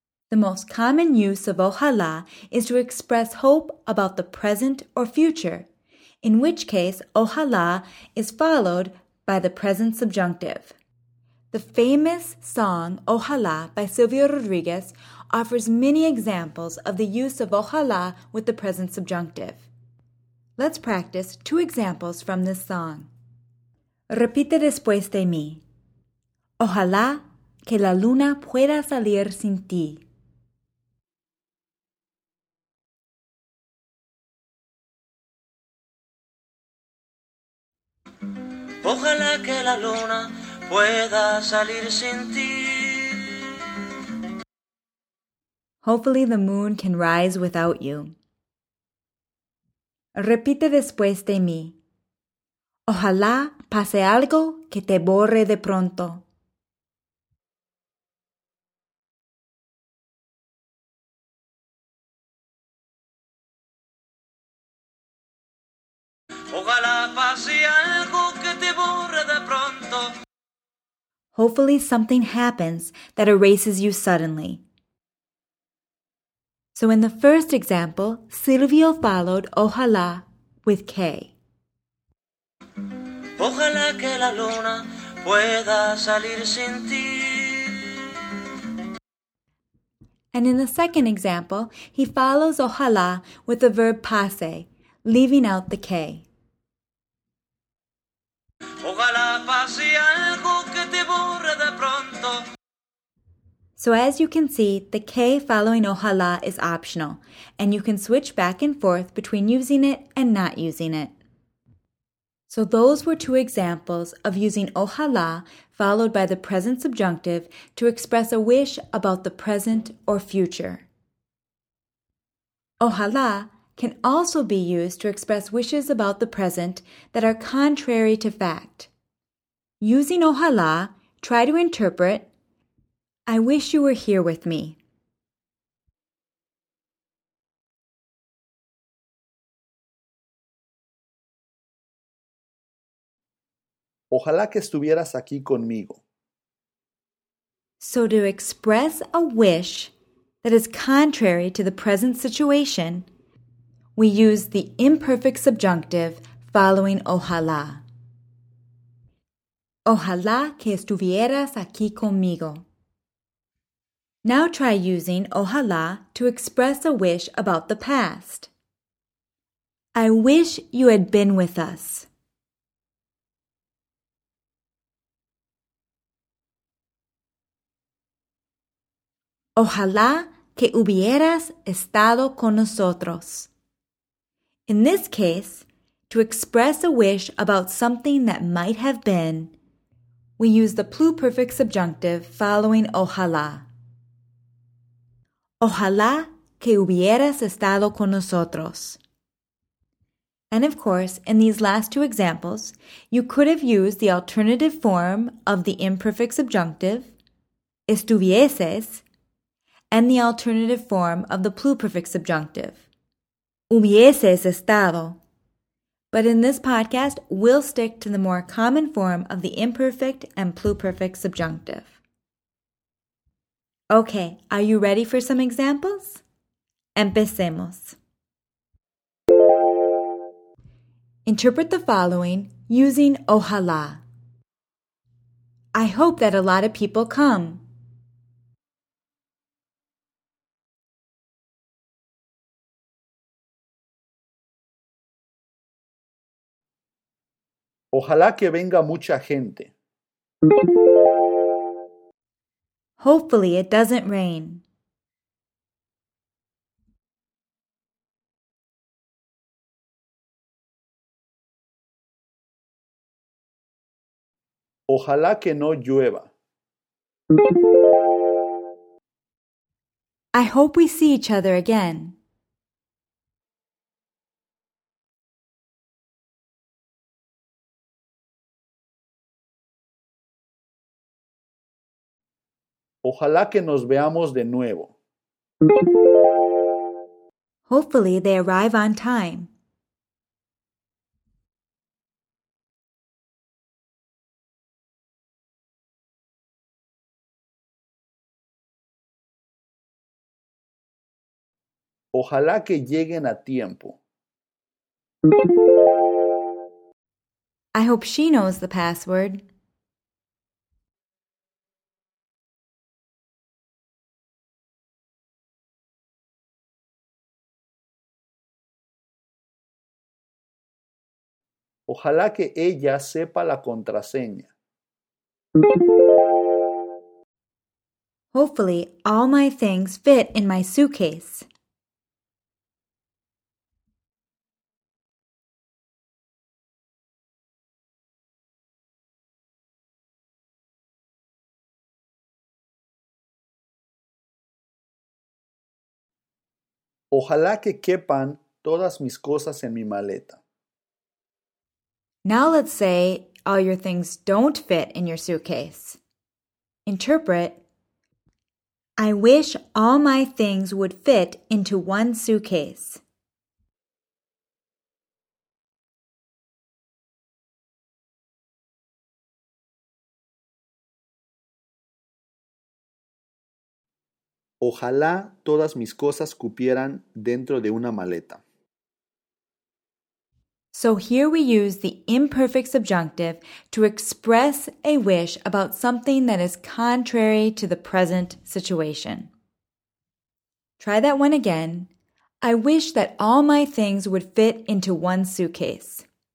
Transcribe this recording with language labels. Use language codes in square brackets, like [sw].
[en] The most common use of ojalá is to express hope about the present or future, in which case ojalá is followed by the present subjunctive. The famous song Ojalá by Silvio Rodriguez offers many examples of the use of ojalá with the present subjunctive. Let's practice two examples from this song. [es] Repite después de mí. Ojalá que la luna pueda salir sin ti. Ojalá que la luna pueda salir sin ti. [en] Hopefully the moon can rise without you. [es] Repite después de mí. Ojalá pase algo que te borre de pronto. Ojalá pase algo que te borre de pronto. [en] Hopefully something happens that erases you suddenly. So in the first example, Silvio followed ojalá with K. [es] Ojalá que la luna pueda salir sin ti. [en] And in the second example, he follows ojalá with the verb pase, leaving out the K. [es] Ojalá pase algo que te borre de pronto. [en] So as you can see, the K following ojalá is optional, and you can switch back and forth between using it and not using it. So those were two examples of using ojalá followed by the present subjunctive to express a wish about the present or future. Ojalá can also be used to express wishes about the present that are contrary to fact. Using ojalá, try to interpret, I wish you were here with me. [es] Ojalá que estuvieras aquí conmigo. [en] So to express a wish that is contrary to the present situation, we use the imperfect subjunctive following ojalá. [es] Ojalá que estuvieras aquí conmigo. [en] Now try using ojalá to express a wish about the past. I wish you had been with us. [es] Ojalá que hubieras estado con nosotros. [en] In this case, to express a wish about something that might have been, we use the pluperfect subjunctive following ojalá. [es] Ojalá que hubieras estado con nosotros. [en] And of course, in these last two examples, you could have used the alternative form of the imperfect subjunctive, estuvieses, and the alternative form of the pluperfect subjunctive, hubieses estado. But in this podcast, we'll stick to the more common form of the imperfect and pluperfect subjunctive. Okay, are you ready for some examples? [es] Empecemos. [en] Interpret the following using ojalá. I hope that a lot of people come. [es] Ojalá que venga mucha gente. [en] Hopefully it doesn't rain. [es] Ojalá que no llueva. [en] I hope we see each other again. [es] Ojalá que nos veamos de nuevo. [en] Hopefully they arrive on time. [es] Ojalá que lleguen a tiempo. [en] I hope she knows the password. [es] Ojalá que ella sepa la contraseña. [en] Hopefully, all my things fit in my suitcase. [es] Ojalá que quepan todas mis cosas en mi maleta. [en] Now let's say all your things don't fit in your suitcase. Interpret, I wish all my things would fit into one suitcase. [es] Ojalá todas mis cosas cupieran dentro de una maleta. [en] So here we use the imperfect subjunctive to express a wish about something that is contrary to the present situation. Try that one again. I wish that all my things would fit into one suitcase.